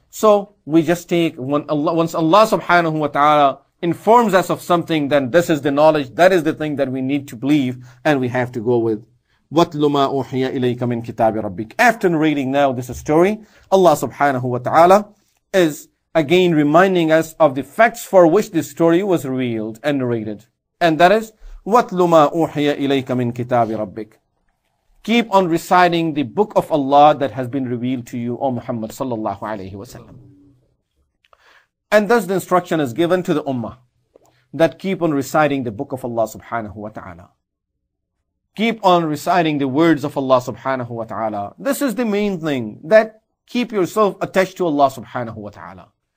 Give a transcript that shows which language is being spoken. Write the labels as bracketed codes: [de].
[en] So we just take, once Allah subhanahu wa ta'ala informs us of something, then this is the knowledge. That is the thing that we need to believe and we have to go with. [ar] وَاتْلُ مَا أُوحِيَ إِلَيْكَ مِنْ كِتَابِ رَبِّكَ. [en] After reading now this story, Allah subhanahu wa ta'ala is again reminding us of the facts for which this story was revealed and narrated. And that is, [ar] وَاتْلُ مَا أُوحِيَ إِلَيْكَ مِنْ كِتَابِ رَبِّكَ. [en] Keep on reciting the book of Allah that has been revealed to you, O Muhammad sallallahu alayhi wa sallam. And thus the instruction is given to the ummah that keep on reciting the book of Allah subhanahu wa ta'ala. Keep on reciting the words of Allah subhanahu wa ta'ala. This is the main thing, that keep yourself attached to Allah subhanahu wa ta'ala.